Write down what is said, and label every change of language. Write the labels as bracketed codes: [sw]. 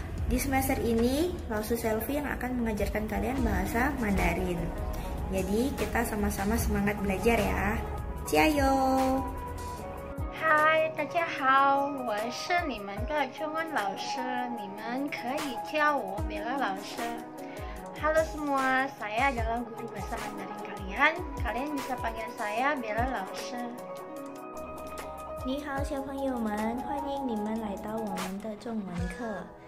[id] Di semester ini, 老师 Selfie yang akan mengajarkan kalian bahasa Mandarin. Jadi kita sama-sama semangat belajar ya. [zh] 加油！嗨，大家好，我是你们的中文老师，你们可以叫我Bella老师。 [id] Halo semua, saya adalah guru bahasa Mandarin kalian. Kalian bisa panggil saya Bella老师。 [zh] 你好，小朋友们，欢迎你们来到我们的中文课。